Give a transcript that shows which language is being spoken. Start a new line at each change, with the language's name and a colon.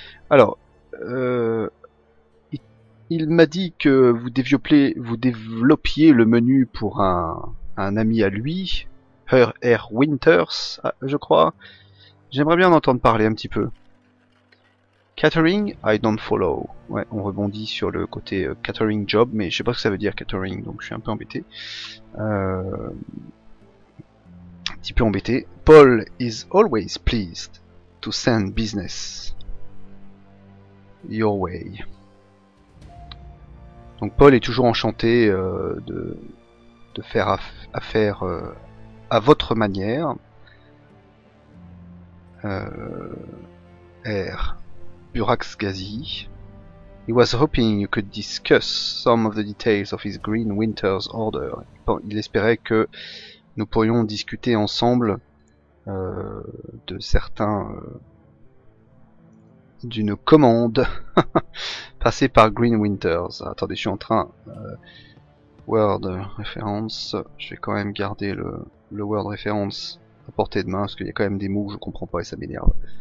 French: Alors, il m'a dit que vous développiez le menu pour un ami à lui, Herr R. Winters, je crois. J'aimerais bien en entendre parler un petit peu. Catering,
English: I don't follow.
French: Ouais, on rebondit sur le côté catering job, mais je sais pas ce que ça veut dire catering, donc je suis un peu embêté. Un petit peu embêté.
English: Paul is always pleased to send business your way.
French: Donc Paul est toujours enchanté de faire affaire à votre manière. R. Burax Ghazi.
English: He was hoping you could discuss some of the details of his Green Winter's Order.
French: Il espérait que nous pourrions discuter ensemble de certains d'une commande passée par Green Winters. Attendez, je suis en train. Word référence. Je vais quand même garder le Word référence à portée de main parce qu'il y a quand même des mots que je comprends pas et ça m'énerve.